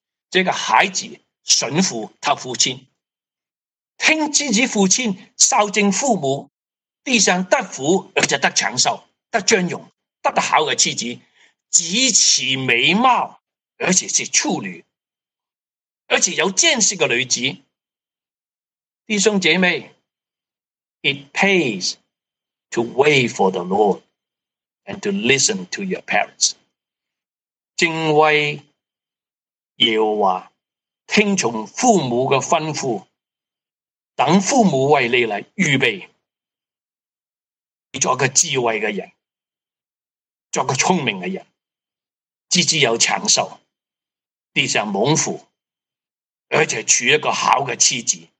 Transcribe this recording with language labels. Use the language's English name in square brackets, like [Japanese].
[Chinese] 这个孩子顺服他父亲，听自己父亲孝敬父母，地上得福而且得长寿、得尊荣、得好的妻子，极其美貌，而且是处女，而且有见识的女子。弟兄姐妹， [English] It pays to wait for the Lord and to listen to your parents. [Chinese] 敬畏耶和华，听从父母的吩咐，等父母为你来预备，你做个智慧的人，做个聪明的人，自己有长寿，地上蒙福，而且娶一个好的妻子。